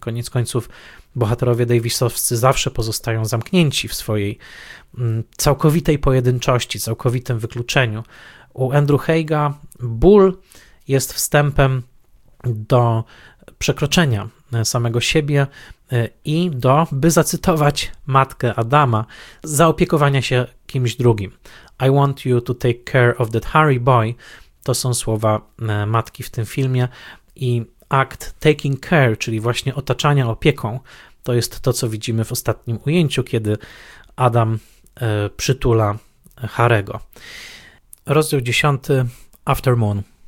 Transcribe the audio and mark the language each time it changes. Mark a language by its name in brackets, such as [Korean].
[Polish] Koniec końców bohaterowie Davisowscy zawsze pozostają zamknięci w swojej całkowitej pojedynczości, całkowitym wykluczeniu. U Andrew Haiga ból jest wstępem do przekroczenia samego siebie i do, by zacytować matkę Adama, zaopiekowania się kimś drugim. [English] I want you to take care of that Harry boy. [Polish] To są słowa matki w tym filmie i akt [English] taking care, [Polish] czyli właśnie otaczania opieką, to jest to, co widzimy w ostatnim ujęciu, kiedy Adam przytula Harry'ego. Rozdział 10. Aftermoon.